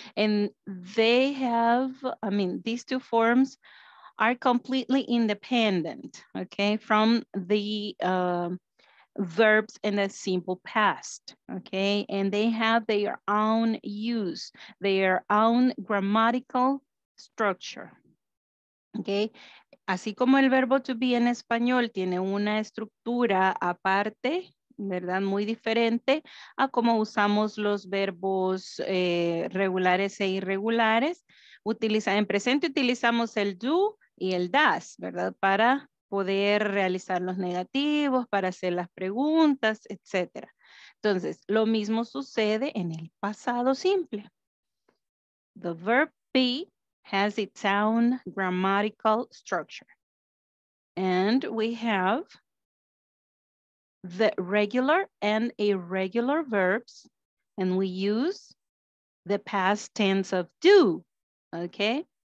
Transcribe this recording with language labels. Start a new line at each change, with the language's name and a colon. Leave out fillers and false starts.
English: And they have, I mean, these two forms are completely independent, okay, from the verbs in the simple past, okay? And they have their own use, their own grammatical structure, okay?
Spanish: Así como el verbo to be en español tiene una estructura aparte, ¿verdad? Muy diferente a cómo usamos los verbos regulares e irregulares. En presente utilizamos el do y el does, ¿verdad? Para poder realizar los negativos, para hacer las preguntas, etc. Entonces, lo mismo sucede en el pasado simple.
English: The verb be has its own grammatical structure. And we have the regular and irregular verbs, and we use the past tense of do, okay?